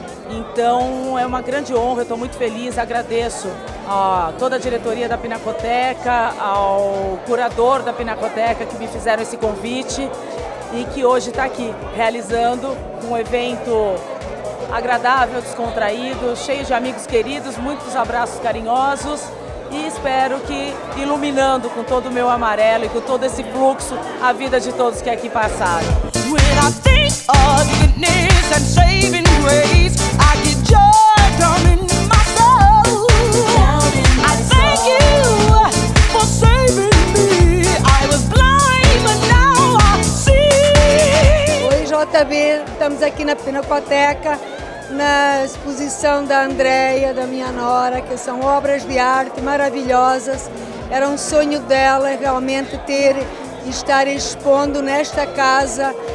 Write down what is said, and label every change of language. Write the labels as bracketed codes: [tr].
[pt] Então é uma grande honra, eu estou muito feliz, agradeço a toda a diretoria da Pinacoteca, ao curador da Pinacoteca que me fizeram esse convite e que hoje está aqui realizando um evento agradável, descontraído, cheio de amigos queridos, muitos abraços carinhosos. E espero que iluminando com todo o meu amarelo e com todo esse fluxo a vida de todos que aqui passaram. [en] When I think of goodness and saving grace, I get joy coming in my soul. I thank you for saving me. I was blind, but now I see. [pt] Oi, JB, estamos aqui na Pinacoteca, na exposição da Andréia, da minha nora, que são obras de arte maravilhosas. Era um sonho dela realmente ter e estar expondo nesta casa.